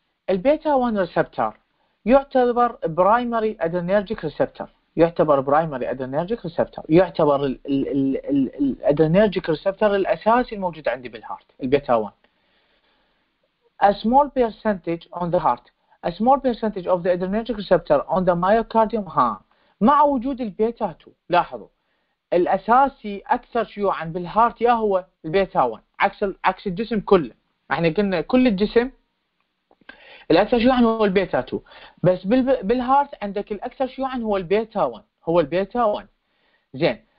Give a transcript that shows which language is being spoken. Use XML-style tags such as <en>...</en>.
<ar>البيتا 1 ريسبتر يعتبر برايمري ادرينرجيك ريسبتر، يعتبر برايمري ادرينرجيك ريسبتر، يعتبر الادرينرجيك ريسبتر الاساسي الموجود عندي بالهارت البيتا 1.</ar> <en>a small percentage on the heart, a small percentage of the adrenergic receptor on the myocardium.</en> <ar>ها مع وجود البيتا 2 لاحظوا الاساسي اكثر شيوعا بالهارت يا هو البيتا 1 عكس الجسم كله. احنا قلنا كل الجسم الاكثر شيوعا هو البيتا 2 بس بالهارت عندك الاكثر شيوعا هو البيتا 1 هو البيتا 1 زين.</ar>